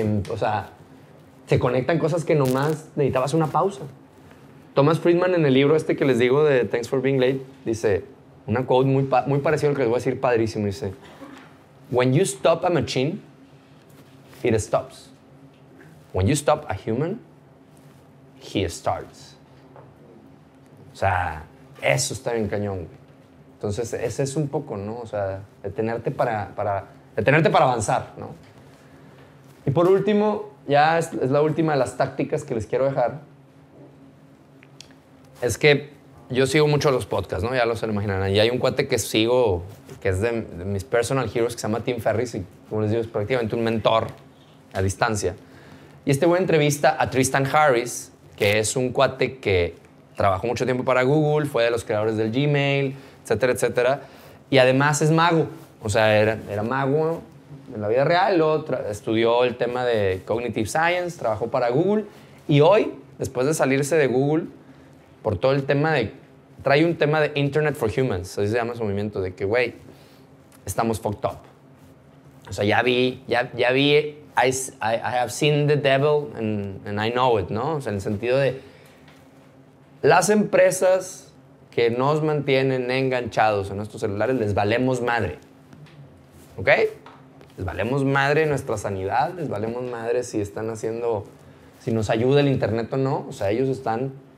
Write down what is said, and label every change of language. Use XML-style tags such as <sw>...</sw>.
<es>O sea, se conectan cosas que nomás necesitabas una pausa. Thomas Friedman en el libro este que les digo de Thanks for Being Late dice... Una quote muy parecida al que les voy a decir, padrísimo, dice:</es> <en>When you stop a machine, it stops. When you stop a human, he starts.</en> <es>O sea, eso está bien cañón. Entonces, ese es un poco, ¿no? O sea, detenerte para avanzar, ¿no? Y por último, ya es la última de las tácticas que les quiero dejar. Es que yo sigo mucho los podcasts, ¿no? Ya lo se lo imaginarán. Y hay un cuate que sigo, que es de mis</es> <en>personal heroes,</en> <es>que se llama Tim Ferriss, y como les digo, es prácticamente un mentor a distancia. Y este güey entrevista a Tristan Harris, que es un cuate que trabajó mucho tiempo para Google, fue de los creadores del Gmail, etcétera, etcétera. Y además es mago. O sea, era mago en la vida real. Estudió el tema de Cognitive Science, trabajó para Google. Y hoy, después de salirse de Google, por todo el tema de... Trae un tema de Internet for Humans. Así se llama su movimiento. De que, güey, estamos</es> <en>fucked up.</en> <es>O sea, ya vi...</es> <en>I have seen the devil and I know it, ¿no?</en> <es>O sea, en el sentido de... Las empresas que nos mantienen enganchados en nuestros celulares, les valemos madre. ¿Ok? Les valemos madre nuestra sanidad. Les valemos madre si están haciendo... Si nos ayuda el Internet o no. O sea, ellos están...</es>